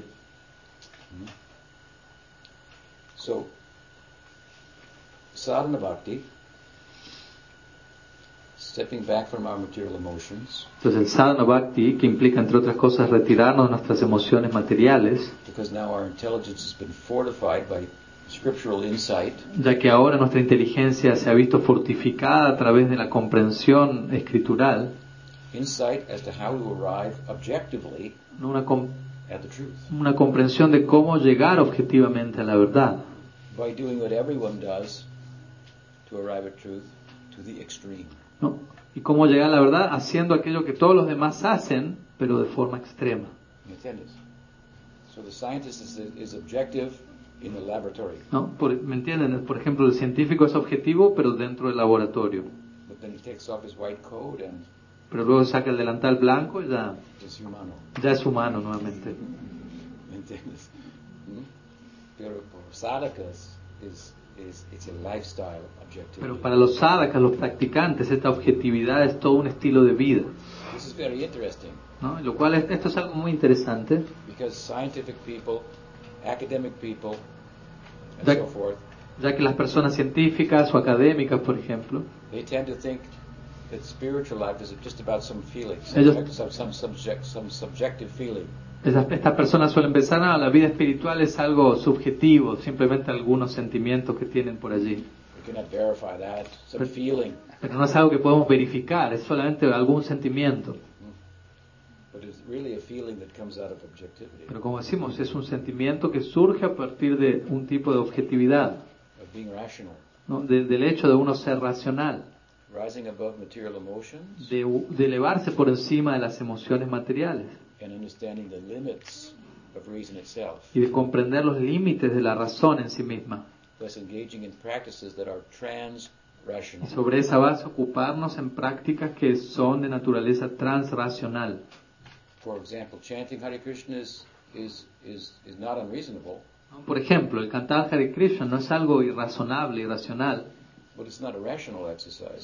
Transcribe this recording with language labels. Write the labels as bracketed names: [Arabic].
[English] Mm-hmm. So, sadhana bhakti. Stepping back from our material emotions. [Spanish] Entonces el sadhana bhakti, que implica entre otras cosas retirarnos de nuestras emociones materiales. [English] Because now our intelligence has been fortified by scriptural insight. [Spanish] Ya que ahora nuestra inteligencia se ha visto fortificada a través de la comprensión escritural. [English] Insight as to how to arrive objectively at the truth. [Spanish] Una comprensión de cómo llegar objetivamente a la verdad. [English] By doing what everyone does to arrive at truth to the extreme. [Spanish] ¿No? ¿Y cómo llegar a la verdad? Haciendo aquello que todos los demás hacen, pero de forma extrema. [English] So the scientist is objective in the laboratory. [Spanish] ¿No? ¿Me entienden? Por ejemplo, el científico es objetivo, pero dentro del laboratorio. [English] But then he takes off his white coat and [Spanish] pero luego saca el delantal blanco y ya, [English] is humano. [Spanish] Ya es humano nuevamente. ¿Me entiendes? ¿Mm? Pero por sadhakas es... [English] it's a lifestyle objective. [Spanish] Pero para los sadhakas, los practicantes, esta objetividad es todo un estilo de vida. [English] This is very interesting. [Spanish] ¿No? Lo cual es, esto es algo muy interesante. [English] Because scientific people, academic people, and so forth, [Spanish] ya que las personas científicas o académicas, por ejemplo, [English] they tend to think that spiritual life is just about some feeling, some subjective feeling. [Spanish] Estas personas suelen pensar, ah, la vida espiritual es algo subjetivo, simplemente algunos sentimientos que tienen por allí. [English] We cannot verify that. Some feeling. [Spanish] Pero no es algo que podemos verificar, es solamente algún sentimiento. [English] But it's really a feeling that comes out of objectivity. [Spanish] Pero como decimos, es un sentimiento que surge a partir de un tipo de objetividad. [English] Of being rational. [Spanish] ¿No? Del hecho de uno ser racional. [English] Rising above material emotions. [Spanish] De elevarse por encima de las emociones materiales. [English] And understanding the limits of reason itself. [Spanish] Y de comprender los límites de la razón en sí misma. [English] Thus engaging in practices that are trans-rational. [Spanish] Y sobre esa base ocuparnos en prácticas que son de naturaleza transracional. [English] For example, chanting Hare Krishna is not unreasonable. [Spanish] Por ejemplo, el cantar Hare Krishna no es algo irrazonable, irracional. [English] But it's not a rational exercise.